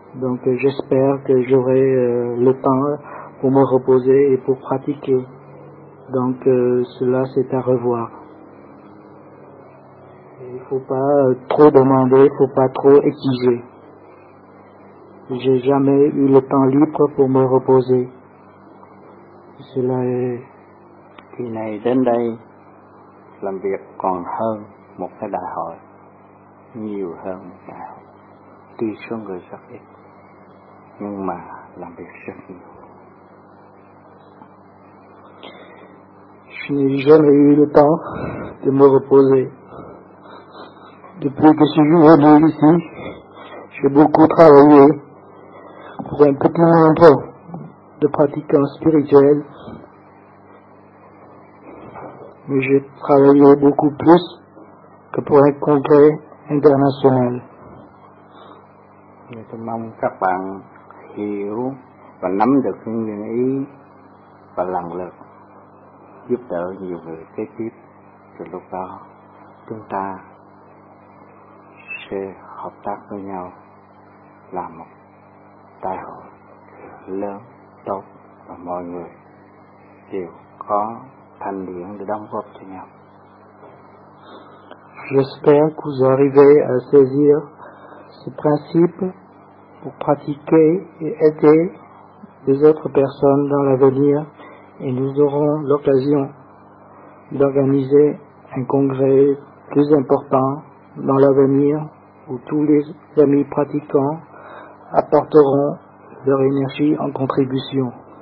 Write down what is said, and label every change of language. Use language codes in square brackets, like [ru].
[fr] Donc j'espère que j'aurai le temps pour me reposer et pour pratiquer. Donc cela c'est à revoir. Il ne faut pas trop demander, il ne faut pas trop exiger. J'ai jamais eu le temps libre pour me reposer. Cela est... [vi] Khi này đến đây, làm việc còn hơn một cái đại hội, nhiều hơn một đại hội. Tuy số người rất ít, nhưng mà làm việc rất nhiều. [fr] Je n'ai jamais eu le temps de me reposer. Depuis que je suis venu ici, j'ai beaucoup travaillé pour un petit nombre de pratiquants spirituels. Mais j'ai travaillé beaucoup plus que pour un congrès international. Je vous [vi] mong các bạn hiểu và nắm được những nguyên ý và lần lượt giúp đỡ nhiều người kế tiếp. Từ lúc đó chúng ta sẽ hợp tác với nhau làm một đại hội lớn, tốt và mọi người đều có thành điển để đóng góp cho nhau. [fr] J'espère que vous arrivez à saisir ce principe pour pratiquer et aider les autres personnes dans l'avenir et nous aurons l'occasion d'organiser un congrès plus important dans l'avenir où tous les amis pratiquants apporteront leur énergie en contribution.